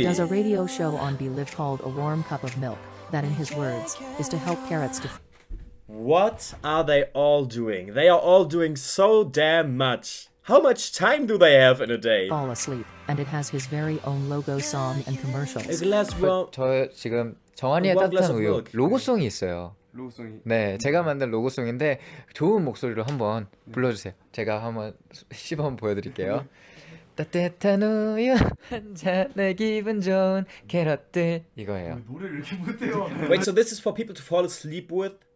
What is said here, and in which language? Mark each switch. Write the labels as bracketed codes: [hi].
[en] He does a radio show on Belive called A Warm Cup of Milk that, in his words, is to help carrots to... What are they all doing? They are all doing so damn much. How much time do they have in a day? Fall asleep, and it has his very own logo song and commercials. A glass of milk. [ko] 저 지금 정한이의 따뜻한 우유 로고송이 있어요. 로고송이. 네, 제가 만든 로고송인데 좋은 목소리로 한번 불러주세요. 제가 한번 시범 보여드릴게요. 따뜻한 우유 한잔 내 기분 좋은 캐럿들 이거예요. 노래를 이렇게 못해요. [en] Wait, so this is for people to fall asleep with?